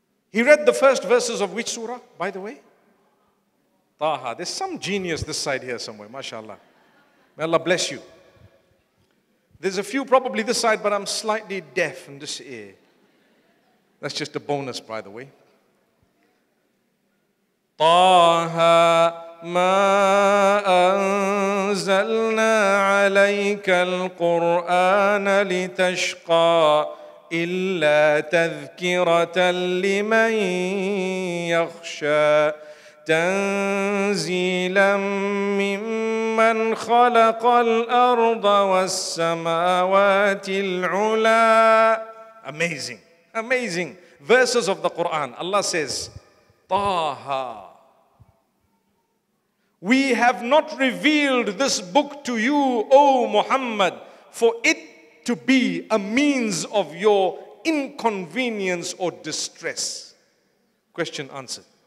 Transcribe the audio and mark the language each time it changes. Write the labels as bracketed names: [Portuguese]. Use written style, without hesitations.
[English] He read the first verses of which surah, by the way? Taha. There's some genius this side here somewhere, mashallah. May Allah bless you. There's a few probably this side, but I'm slightly deaf in this ear. That's just a bonus, by the way. [Arabic] طه ما أنزلنا عليك القرآن لتشقى إلا تذكرة لمن يخشى تنزيلا ممن خلق الأرض والسماوات العلى. [English] Amazing. Amazing. Verses of the Quran. Allah says, Taha, we have not revealed this book to you, O Muhammad, for it to be a means of your inconvenience or distress. Question answered.